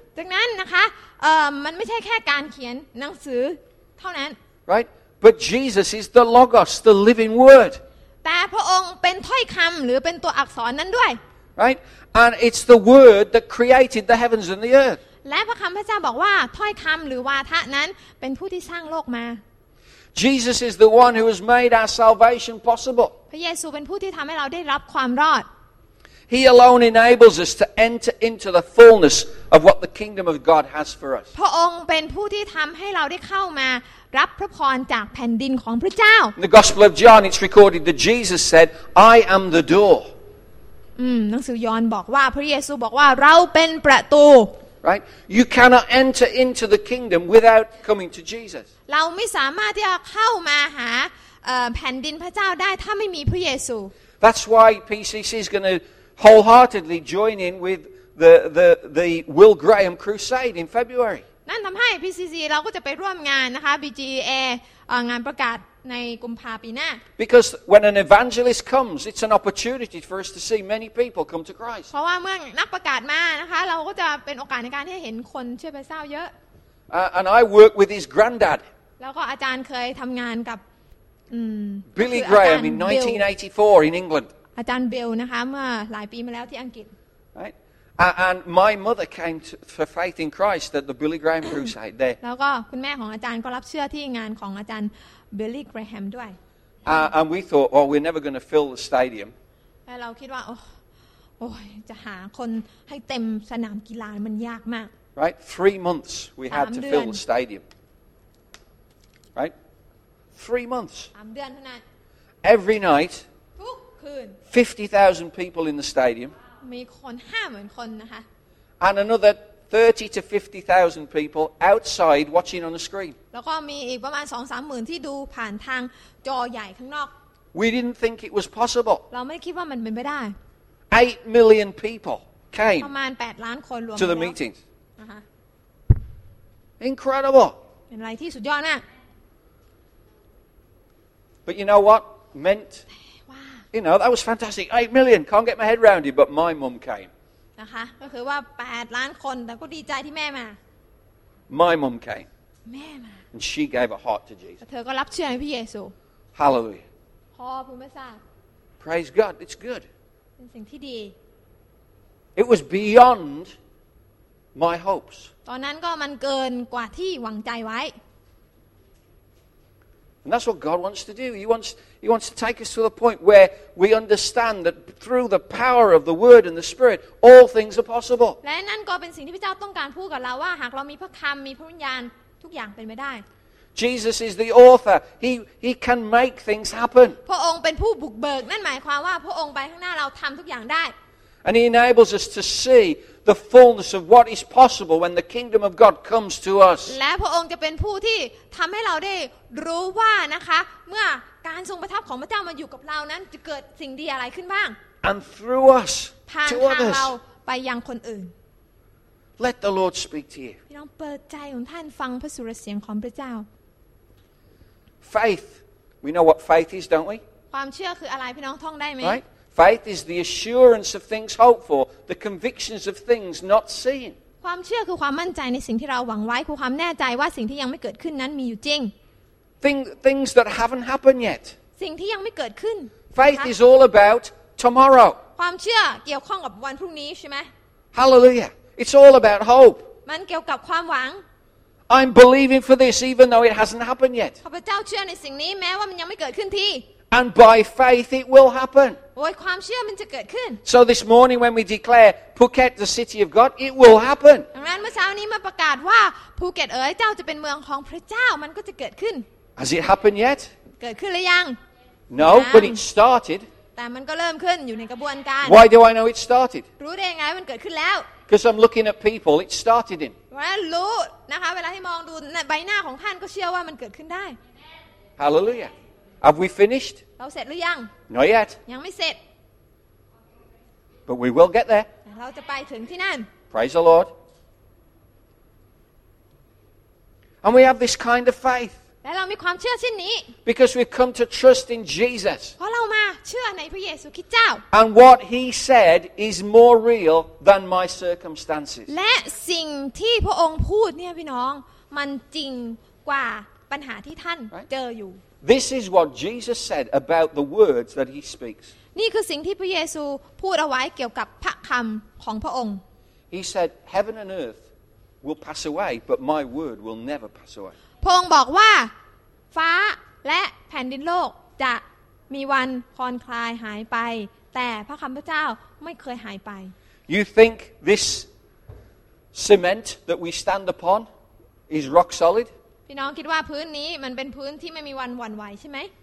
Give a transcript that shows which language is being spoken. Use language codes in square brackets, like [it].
[th] ดังนั้นนะคะมันไม่ใช่แค่การเขียนหนังสือเท่านั้น [en] right but Jesus is the Logos the living word [th] แต่พระองค์เป็นถ้อยคำหรือเป็นตัวอักษรนั้นด้วย [en] right and it's the word that created the heavens and the earth [th] และพระคำพระเจ้าบอกว่าถ้อยคำหรือวาทะนั้นเป็นผู้ที่สร้างโลกมา [en] Jesus is the one who has made our salvation possible [th] พระเยซูเป็นผู้ที่ทำให้เราได้รับความรอด [en] He alone enables us to enter into the fullness of what the kingdom of God has for us. [th] พระองค์เป็นผู้ที่ทำให้เราได้เข้ามารับพระพรจากแผ่นดินของพระเจ้า [en] In the Gospel of John, it's recorded that Jesus said, "I am the door." [th] หนังสือยอห์นบอกว่าพระเยซูบอกว่าเราเป็นประตู [en] Right? You cannot enter into the kingdom without coming to Jesus. [th] เราไม่สามารถที่จะเข้ามาหาแผ่นดินพระเจ้าได้ถ้าไม่มีพระเยซู [en] That's why PCC is going toWholeheartedly join in with the Will Graham Crusade in February. [th] นั่นทำให้ PCC เราก็จะไปร่วมงานนะคะ BGA งานประกาศในกุมภาปีหน้า [en] Because when an evangelist comes, it's an opportunity for us to see many people come to Christ. [th] เพราะว่าเมื่อนักประกาศมานะคะเราก็จะเป็นโอกาสในการที่เห็นคนเชื่อพระเจ้าเยอะ [en] And I work with his granddad. [th] แล้วก็อาจารย์เคยทำงานกับ [en] Billy Graham in 1984 in England. [th] อาจารย์เบลนะคะเมื่อหลายปีมาแล้วที่อังกฤษ [en] right and my mother came for faith in Christ at the Billy Graham Crusade there [th] แล้วก็คุณแม่ของอาจารย์ก็รับเชื่อที่งานของอาจารย์ Billy Graham ด้วย [en] and we thought well we're never going to fill the stadium [th] แล้วเราคิดว่าโอ้ยจะหาคนให้เต็มสนามกีฬามันยากมาก [en] right 3 months we had to fill the stadium right 3 months [th] 3เดือนเท่านั้น [en] every night 50,000 people in the stadium. [th] มีคน 50,000 คนนะคะ [en] And another 30 to 50,000 people outside watching on the screen. [th] แล้วก็มีอีกประมาณ 20,000-30,000 ที่ดูผ่านทางจอใหญ่ข้างนอก [en] We didn't think it was possible. [th] เราไม่คิดว่ามันเป็นไปได้ [en] 8 million people came. [th] ประมาณ 8 ล้านคนรวม [en] To the meetings. Incredible. [th] เป็นอะไรที่สุดยอดมาก [en] But you know what meant? You know that was fantastic. 8 million. Can't get my head around it, but my mum came. [th] นะคะก็คือว่า8ล้านคนแต่ก็ดีใจที่แม่มา [en] My mum came. [th] แม่มา [en] And she gave her heart to Jesus. [th] เธอก็รับเชื่อในพระเยซู [en] Hallelujah. พอภูมิศาสตร์ Praise God. It's good. [th] เป็นสิ่งที่ดี [en] It was beyond my hopes. [th] ตอนนั้นก็มันเกินกว่าที่หวังใจไว้ [en] And that's what God wants to do. He wants to take us to the point where we understand that through the power of the Word and the Spirit, all things are possible. [th] และนั่นก็เป็นสิ่งที่พระเจ้าต้องการพูดกับเราว่าหากเรามีพระคำมีพระวิญญาณทุกอย่างเป็นไปได้ [en] Jesus is the author. He can make things happen. [th] พระองค์เป็นผู้บุกเบิกนั่นหมายความว่าพระองค์ไปข้างหน้าเราทําทุกอย่างได้ [en] And he enables us to see the fullness of what is possible when the kingdom of God comes to us. [th] และพระองค์จะเป็นผู้ที่ทําให้เราได้รู้ว่านะคะเมื่อการทรงประทับของพระเจ้ามาอยู่กับเรานั้นจะเกิดสิ่งดีอะไรขึ้นบ้าง [en] And through us to others. [th] ผ่านทางเราไปยังคนอื่น [en] Let the Lord speak to you. [th] พี่น้องเปิดใจของท่านฟังพระสุรเสียงของพระเจ้า [en] Faith. We know what faith is, don't we? [th] ความเชื่อคืออะไรพี่น้องท่องได้ไหม [en] Right. Faith is the assurance of things hoped for, the convictions of things not seen. [th] ความเชื่อคือความมั่นใจในสิ่งที่เราหวังไว้คือความแน่ใจว่าสิ่งที่ยังไม่เกิดขึ้นนั้นมีอยู่จริง [en] Things that haven't happened yet. [th] สิ่งที่ยังไม่เกิดขึ้น [en] Faith is all about tomorrow. [th] ความเชื่อเกี่ยวข้องกับวันพรุ่งนี้ใช่ไหม [en] Hallelujah. It's all about hope. [th] มันเกี่ยวกับความหวัง [en] I'm believing for this even though it hasn't happened yet. [th] ข้าพเจ้าเชื่อในสิ่งนี้แม้ว่ามันยังไม่เกิดขึ้นที [en] And by faith it will happen. [th] โดยความเชื่อมันจะเกิดขึ้น [en] So this morning when we declare Phuket the city of God, it will happen. [th] ดังนั้นเมื่อเช้านี้เมื่อประกาศว่าภูเก็ตเอ๋ยเจ้าจะเป็นเมืองของพระเจ้ามันก็จะเกิดขึ้น [en] Has it happened yet? [th] เกิดขึ้นหรือยัง [en] No, but it started. [th] แต่มันก็เริ่มขึ้นอยู่ในกระบวนการ [en] Why do I know it started? [th] รู้ได้ยังไงมันเกิดขึ้นแล้ว [en] Because I'm looking at people, it started in. Well, Lord, [th] นะคะเวลาที่มองดูใบหน้าของท่านก็เชื่อว่ามันเกิดขึ้นได้ [en] Hallelujah. Have we finished? [th] เราเสร็จหรือยัง [en] Not yet. [th] ยังไม่เสร็จ [en] But we will get there. [th] เราจะไปถึงที่นั่น [en] Praise the Lord. And we have this kind of faith. [th] และเรามีความเชื่อเช่นนี้ [en] Because we've come to trust in Jesus. [th] เพราะเรามาเชื่อในพระเยซูคริสต์เจ้า [en] And what he said is more real than my circumstances. [th] และสิ่งที่พระองค์พูดเนี่ยพี่น้องมันจริงกว่าปัญหาที่ท่านเจออยู่ [en] This is what Jesus said about the words that he speaks. [th] นี่คือสิ่งที่พระเยซูพูดเอาไว้เกี่ยวกับพระคำของพระองค์ [en] He said heaven and earth will pass away but my word will never pass away. [th] พระองค์บอกว่าฟ้าและแผ่นดินโลกจะมีวันคลอนคลายหายไปแต่พระคำพระเจ้าไม่เคยหายไป [en] You think this cement that we stand upon is rock solid? [th] พี่น้องคิดว่าพื้นนี้มันเป็นพื้นที่ไม่มีวันหวั่นไหวใช่ไหม